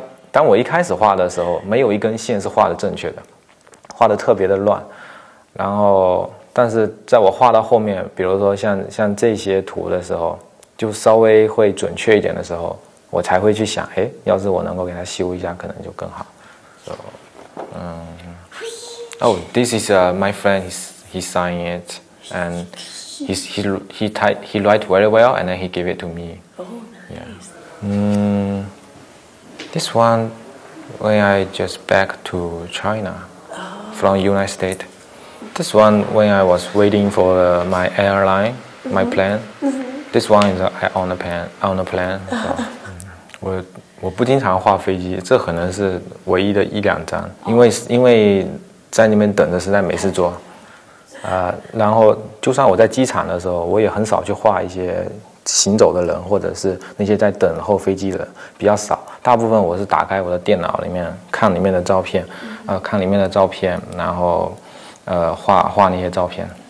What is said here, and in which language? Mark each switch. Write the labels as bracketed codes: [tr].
[zh] 当我一开始画的时候，没有一根线是画的正确的，画的特别的乱，然后但是在我画到后面，比如说像这些图的时候，就稍微会准确一点的时候，我才会去想，哎，要是我能够给它修一下，可能就更好。 [en] So, oh, this is my friend. He signed it, and he write very well, and then he gave it to me. Oh, nice. Yeah. This one, when I just back to China from United States, this one when I was waiting for my airline, my plane. This one is on the plane. So. [zh] 我不经常画飞机，这可能是唯一的一两张，因为在那边等着实在没事做，然后就算我在机场的时候，我也很少去画一些行走的人或者是那些在等候飞机的人，比较少，大部分我是打开我的电脑里面看里面的照片，看里面的照片，然后画画那些照片。